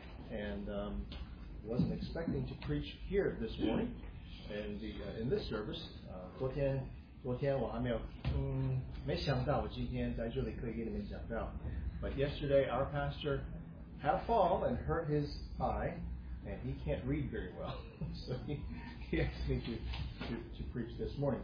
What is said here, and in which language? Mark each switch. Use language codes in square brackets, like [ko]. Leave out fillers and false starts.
[en] And wasn't expecting to preach here this morning and in this service. [zh] 昨天我还没想到我今天在这里可以给你们讲到. [en] But yesterday our pastor had a fall and hurt his eye, and he can't read very well. So he asked me to preach this morning.